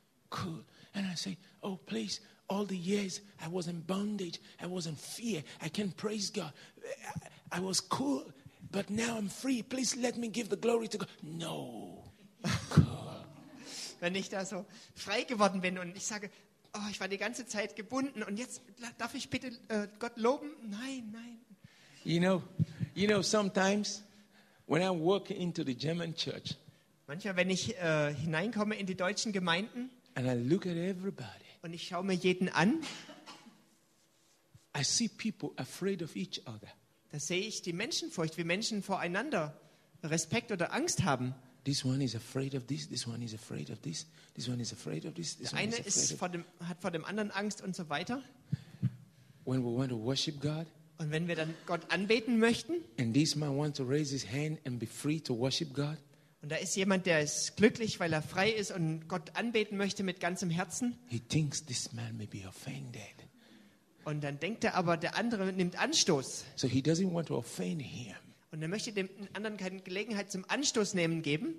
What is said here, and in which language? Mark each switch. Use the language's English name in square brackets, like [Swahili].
[English] Cool. And I say, oh please, all the years I was in bondage, I was in fear, I can't praise God. I was cool, but now I'm free. Please let me give the glory to God. No. [German] Wenn ich da so frei geworden bin und ich sage, Oh, ich war die ganze Zeit gebunden und jetzt darf ich bitte Gott loben? Nein, nein. [English] You know, sometimes when I walk into the German church. [German] Manchmal, wenn ich hineinkomme in die deutschen Gemeinden. [English] And I look at everybody. [German] Und ich schaue mir jeden an. [English] I see people afraid of each other. [German] Da sehe ich die Menschenfurcht, wie Menschen voreinander Respekt oder Angst haben. [English] This one is afraid of this. This one is afraid of this. This one is afraid of this. [German] Der eine ist vor dem, hat vor dem anderen Angst und so weiter. [English] When we want to worship God. [German] Und wenn wir dann Gott anbeten möchten. [English] And this man wants to raise his hand and be free to worship God. [German] Und da ist jemand, der ist glücklich, weil er frei ist und Gott anbeten möchte mit ganzem Herzen. [English] He thinks this man may be offended. [German] Und dann denkt er aber, der andere nimmt Anstoß. [English] So he doesn't want to offend him. [German] Und er möchte dem anderen keine Gelegenheit zum Anstoß nehmen geben.